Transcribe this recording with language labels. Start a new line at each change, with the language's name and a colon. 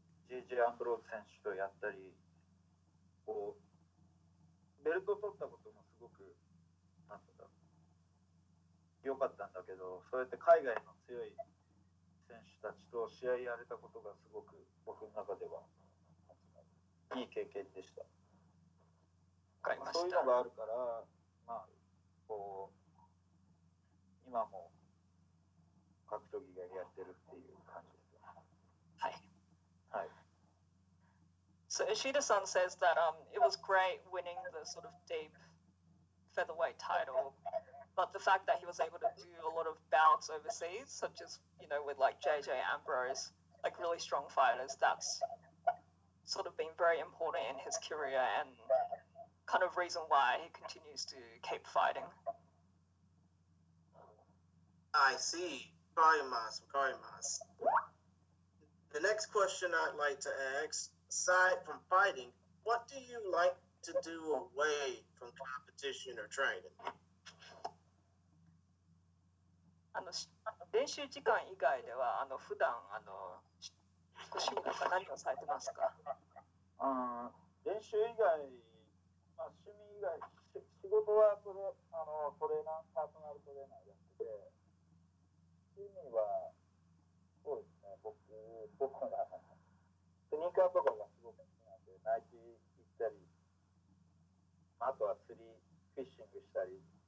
Japanese: JJ アンブローズ選手とやったり、こうベルトを取ったこともすごく何て言うか良かったんだけど、そうやって海外の強い選手たちと試合やれたことがすごく僕の中ではいい経験でした。りました。そういうのがあるから、まあ、こう、今も格闘技がやってるっていう感じですね。はい。はい。
English: So Ishida-san says that it was great winning the sort of deep featherweight title, but the fact that he was able to do a lot of bouts overseas, such as, you know, with like JJ Ambrose, like really strong fighters, that's sort of been very important in his career and kind of reason why he continues to keep fighting. I see. The next question I'd like to ask, aside from fighting, what do you like to do away from competition or training?
Japanese: あの練習時間以外ではあの普段あの趣味なんか何をされてますか？練習以外、まあ、趣味以外、仕事はそれあのトレーナー、パーソナルトレーナーやってて、趣味はそうですね、僕はスニーカーとかがすごく好きなんで、ナイキ行ったり、あとは釣り、フィッシングしたり。